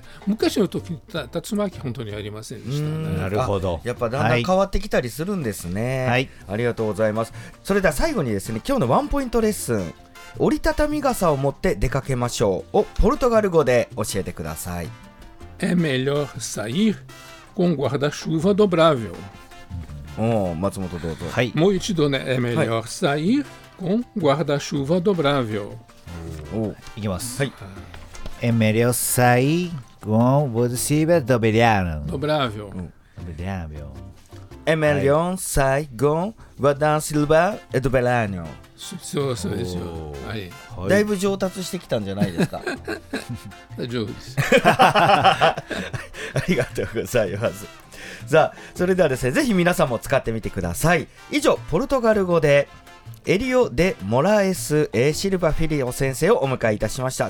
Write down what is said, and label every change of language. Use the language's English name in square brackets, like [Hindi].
[Japanese] 昔の時に竜巻本当にありませんでしたね。なるほど、やっぱだんだん変わってきたりするんですね、はい、ありがとうございます。それでは最後にですね、今日のワンポイントレッスン、折りたたみ傘を持って出かけましょうをポルトガル語で教えてください。 [Portuguese] É melhor sair com guarda-chuva dobrável。 [Japanese] 松本どうぞ。はい、もう一度ね、 [Portuguese] É melhor sair com guarda-chuva dobrável。 [Japanese] いきます、はい、 [Portuguese] É melhor sair com guarda-chuva dobrável. Dobrável. É melhor sair com guarda-chuva dobrável. [Japanese] そうそうそうですよ、はい、だいぶ上達してきたんじゃないですか。大丈夫です。ありがとうございます。さあ、それではですね、ぜひ皆さんも使ってみてください。以上、ポルトガル語でエリオ・デ・モラエス・エ・シルバ・フィリオ先生をお迎えいたしました。